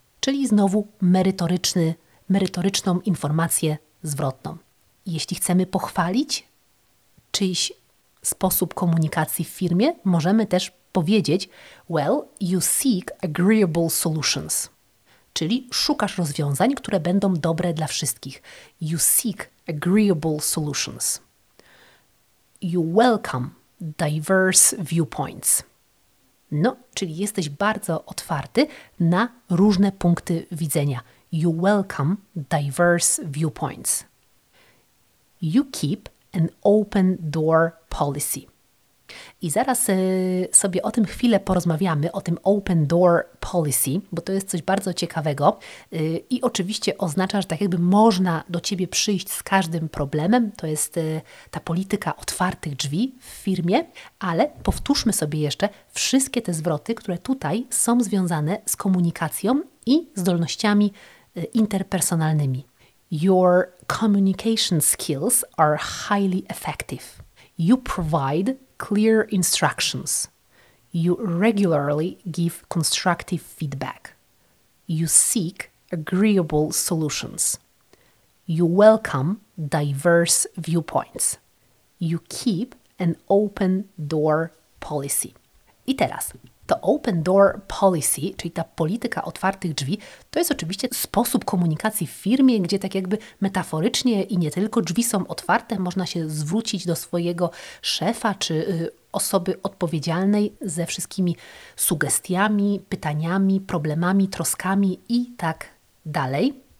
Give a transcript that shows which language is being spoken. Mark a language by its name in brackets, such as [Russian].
[Polish] Czyli znowu merytoryczną informację zwrotną. Jeśli chcemy pochwalić czyjś sposób komunikacji w firmie, możemy też powiedzieć [English] well, you seek agreeable solutions. [Polish] Czyli szukasz rozwiązań, które będą dobre dla wszystkich. [English] You seek agreeable solutions. You welcome diverse viewpoints. [Polish] No, czyli jesteś bardzo otwarty na różne punkty widzenia. [English] You welcome diverse viewpoints. You keep an open door policy. [Polish] I zaraz sobie o tym chwilę porozmawiamy, o tym open door policy, bo to jest coś bardzo ciekawego i oczywiście oznacza, że tak jakby można do Ciebie przyjść z każdym problemem, to jest ta polityka otwartych drzwi w firmie, ale powtórzmy sobie jeszcze wszystkie te zwroty, które tutaj są związane z komunikacją i zdolnościami interpersonalnymi. [English] Your communication skills are highly effective. You provide clear instructions. You regularly give constructive feedback. You seek agreeable solutions. You welcome diverse viewpoints. You keep an open door policy. [Polish] I teraz, to open door policy, czyli ta polityka otwartych drzwi, to jest oczywiście sposób komunikacji w firmie, gdzie tak jakby metaforycznie i nie tylko drzwi są otwarte, można się zwrócić do swojego szefa czy osoby odpowiedzialnej ze wszystkimi sugestiami, pytaniami, problemami, troskami i tak dalej.